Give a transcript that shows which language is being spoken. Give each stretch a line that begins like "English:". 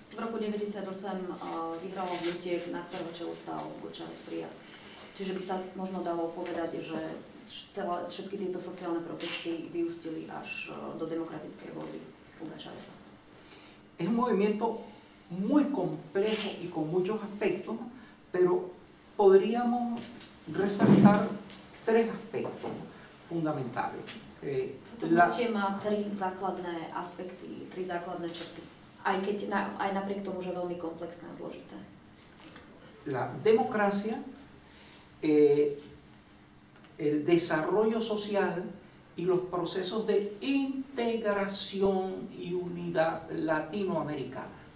Slovak: V roku 98 vyhralo hnutie, na ktorého čelu stál Hugo Chávez Frías. Čiže by sa možno dalo povedať, že všetky tieto sociálne protesty vyústili až do demokratickej voľby Huga Cháveza.
Spanish: Es un movimiento muy complejo y con muchos aspectos, pero podríamos resaltar tres aspectos fundamentales.
Slovak: Toto hnutie má tri základné aspekty, tri základné črty. Aj napriek tomu, že je veľmi komplexné a zložité.
Spanish: La democracia, el desarrollo social y los procesos de integración y unidad latinoamericana.